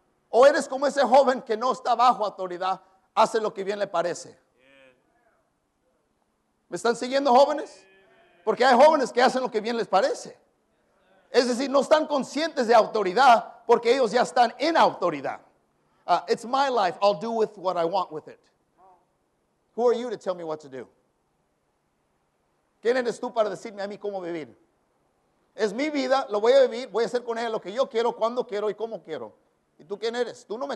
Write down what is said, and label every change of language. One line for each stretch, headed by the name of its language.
Spanish: O eres como ese joven que no está bajo autoridad, hace lo que bien le parece. ¿Me están siguiendo, jóvenes? Porque hay jóvenes que hacen lo que bien les parece. Es decir, no están conscientes de autoridad porque ellos ya están en autoridad.
English: It's my life. I'll do with what I want with it. Who are you to tell me what to do?
Spanish: ¿Quién eres tú para decirme a mí cómo vivir? Es mi vida, lo voy a vivir, voy a hacer con ella lo que yo quiero, cuando quiero y cómo quiero. ¿Y tú quién eres?